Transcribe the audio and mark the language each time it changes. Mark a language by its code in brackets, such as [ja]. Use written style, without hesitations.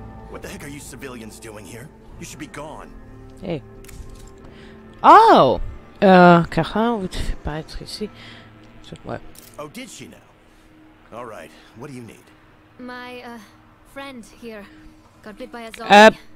[en] What the heck are you civilians doing here? You should be gone. Hey. Oh! [fr] Kara, vous ne devez pas être ici. Ouais. [en] Oh, did she now? All right, what do you need? My, friend here got bit by a zombie.